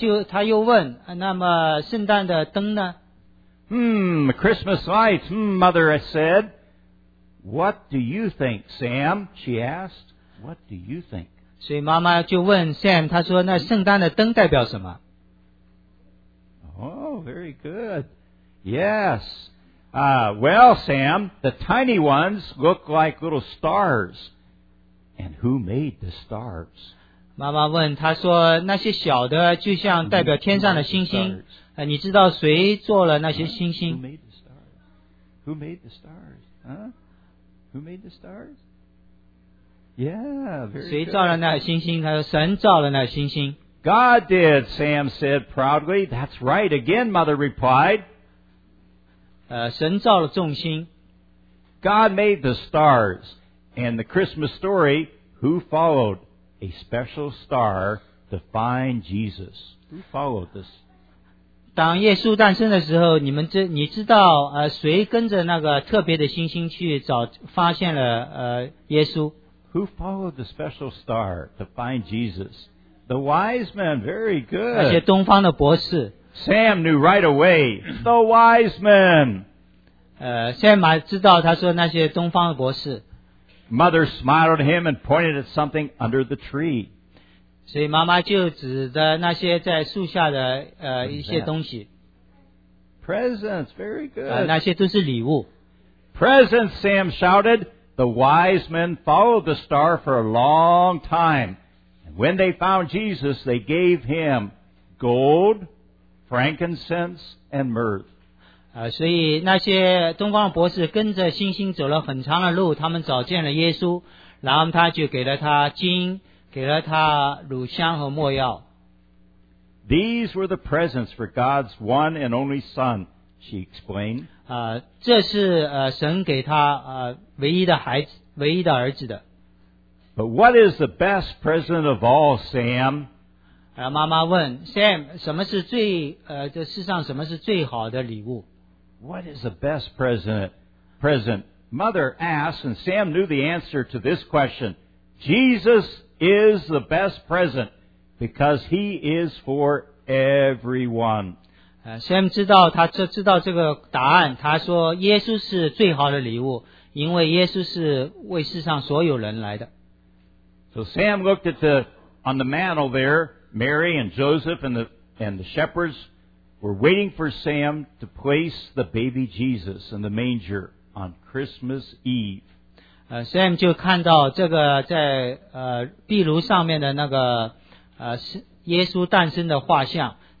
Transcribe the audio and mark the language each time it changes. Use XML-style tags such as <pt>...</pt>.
<zh>他又问，那么圣诞的灯呢？</zh> <en>Christmas lights, mother said. What do you think, Sam? She asked. What do you think?</en> <zh>所以妈妈就问 Sam, 她说那圣诞的灯代表什么？</zh> <en>Oh, very good. Yes. Well, Sam, the tiny ones look like little stars. And who made the stars?</en> <zh>妈妈问，她说，那些小的就像代表天上的星星。你知道谁做了那些星星？</zh> <en>Who made the stars? Who made the stars? Who made the stars? Yeah, very good.</en> <zh>谁造了那星星？她说，神造了那星星。</zh> <en>God did, Sam said proudly. That's right. Again, mother replied.</en> <zh>神造了众星。</zh> <en>God made the stars. And the Christmas story, who followed a special star to find Jesus? Who followed this?</en> <zh>当耶稣诞生的时候，你知道谁跟着那个特别的星星去找发现了耶稣？</zh> <en>Who followed the special star to find Jesus? The wise men, very good.</en> <zh>那些东方的博士。</zh> <en>Sam knew right away, the wise men.</en> <zh>Sam 知道他说那些东方的博士。</zh> <en>Mother smiled at him and pointed at something under the tree.</en> <zh>所以妈妈就指的那些在树下的一些东西。</zh> <en>Presents, very good.</en> <zh>那些都是礼物。</zh> <en>Presents, Sam shouted. The wise men followed the star for a long time. And when they found Jesus, they gave him gold,frankincense and myrrh.</en> <zh>所以那些东方博士跟着星星走了很长的路，他们找见了耶稣，然后他就给了他金，给了他乳香和没药。</zh> <en>These were the presents for God's one and only son, she explained.</en> <zh>这是神给他唯一的孩子，唯一的儿子的。</zh> <en>But what is the best present of all, Sam?</en> <zh>妈妈问 Sam, 什么是最这世上什么是最好的礼物？</zh> <en>what is the best present? Mother asked, and Sam knew the answer to this question. Jesus is the best present because He is for everyone.</en> <zh>Sam 知道, 他知道 这个答案, 他说耶稣是最好的礼物, 因为耶稣是为世上所有人来的。</zh> <en>So Sam looked at on the mantle there, Mary and Joseph and the shepherds were waiting for Sam to place the baby Jesus in the manger on Christmas Eve.</en> <zh>Sam 就看到这个在壁炉上面的那个耶稣诞生的画像。</zh>